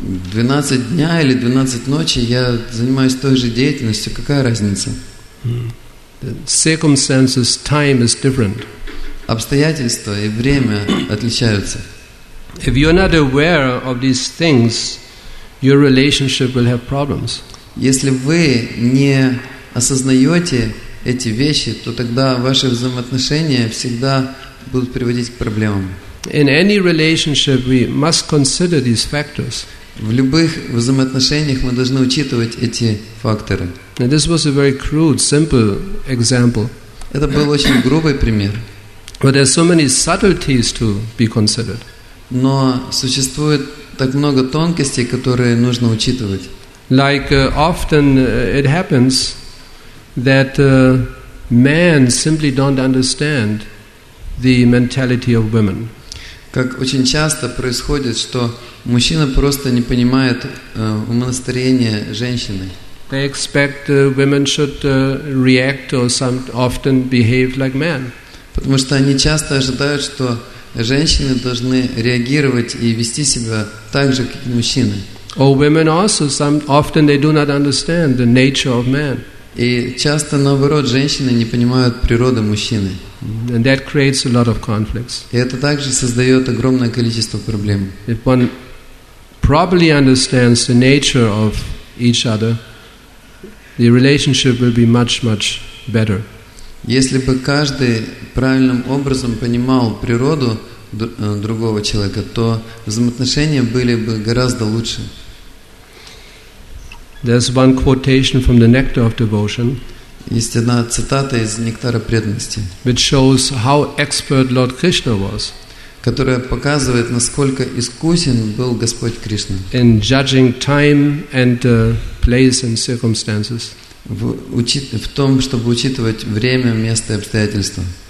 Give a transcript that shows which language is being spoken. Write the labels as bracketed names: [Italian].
[Russian] 12 дня или 12 ночи я занимаюсь той же деятельностью, какая разница? [English] The circumstances, time is different. [Russian] Обстоятельства и время отличаются. [English] If you're not aware of these things, your relationship will have problems. [Russian] Если вы не осознаете эти вещи, то тогда ваши взаимоотношения всегда будут приводить к проблемам. [English] In any relationship, we must consider these factors. [Russian] В любых взаимоотношениях мы должны учитывать эти факторы. [English] Now, this was a very crude, simple example. [Russian] Это был очень грубый пример. [English] But there are so many subtleties to be considered. [Russian] Но существует так много тонкостей, которые нужно учитывать. [English] Like often it happens that men simply don't understand the mentality of women. [Russian] Как очень часто происходит, что мужчина просто не понимает умонастроение женщины. [English] They expect women should react or some often behave like men. [Russian] Потому что они часто ожидают, что женщины должны реагировать и вести себя так же, как и мужчины. [English] Or women also, some often they do not understand the nature of man. [Russian] И часто, наоборот, женщины не понимают природы мужчины. [English] And that creates a lot of conflicts. [Russian] И это также создает огромное количество проблем. [English] If one properly understands the nature of each other, the relationship will be much, much better. [Russian] Если бы каждый правильным образом понимал природу другого человека, то взаимоотношения были бы гораздо лучше. [English] There's one quotation from the Nectar of Devotion. [Russian] Есть одна цитата из Нектара преданности. [English] Which shows how expert Lord Krishna was. [Russian] Которая показывает, насколько искусен был Господь Кришна. [English] In judging time and place and circumstances. [Russian] В том, чтобы учитывать время, место и обстоятельства.